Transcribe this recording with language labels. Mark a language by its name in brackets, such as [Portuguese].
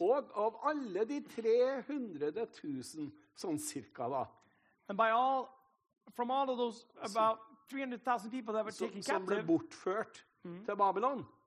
[Norwegian] Og av alle de 300,000 sånn cirka da. [English] And by all, from all of those about 300,000 people that were taken captive. [Norwegian] Som ble bortført til Babylon.